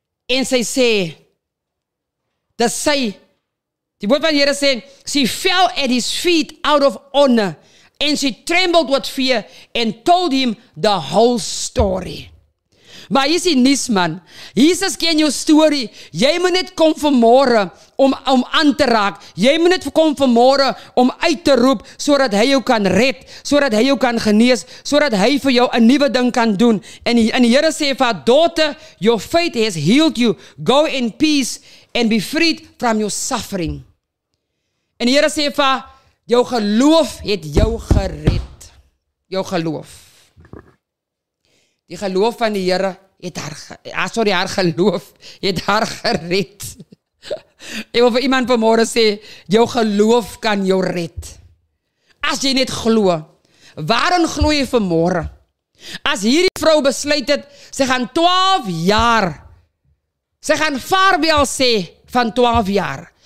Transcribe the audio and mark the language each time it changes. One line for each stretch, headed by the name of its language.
Afrikaans: En sy sê, dat sy, die woord van die Here sê,
English: she fell at his feet out of honor, and she trembled with fear, and told him the whole story.
Afrikaans: Maar hier is die nies, man. Jesus ken jou story. Jy moet net kom vanmorgen om aan te raak. Jy moet net kom vanmorgen om uit te roep, so dat hy jou kan red, so dat hy jou kan genees, so dat hy vir jou 'n nuwe ding kan doen.
English: En die Here sê vir haar, daughter, your faith has healed you. Go in peace and be freed from your suffering.
Afrikaans: En die Here sê vir haar, jou geloof het jou gered. Jou geloof. Die geloof van die Here het haar geloof het haar gered. Ek wil vir iemand vanmorgen sê, jou geloof kan jou red. As jy net glo, waarin glo jy vanmorgen? As hierdie vrou besluit het, sy gaan 12 jaar, sy gaan vaarwel sê van 12 jaar.